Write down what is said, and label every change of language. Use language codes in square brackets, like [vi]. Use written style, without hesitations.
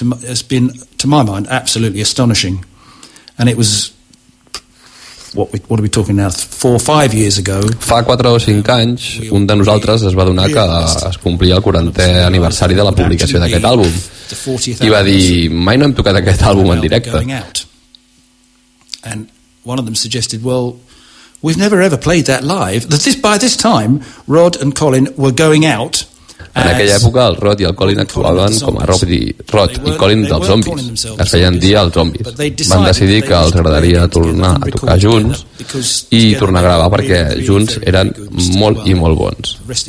[en] Has been, to my mind, absolutely astonishing. And it was, what are we talking now, 4 or 5 years ago. [ca] Fa 4 o 5 anys, un de nosaltres es va donar que es complia el 40è aniversari de la publicació d'aquest àlbum i va dir: mai no hem tocat aquest àlbum en directe. [en] And one of them suggested, well, we've never ever played that live. By this time, Rod and Colin were going out. [ca] En aquella època el Rod i el Colin actuaven com a Rod i Colin dels zombis. Es feien dir els zombis. Van decidir que els agradaria tornar a tocar junts i tornar a gravar perquè junts eren molt i molt bons.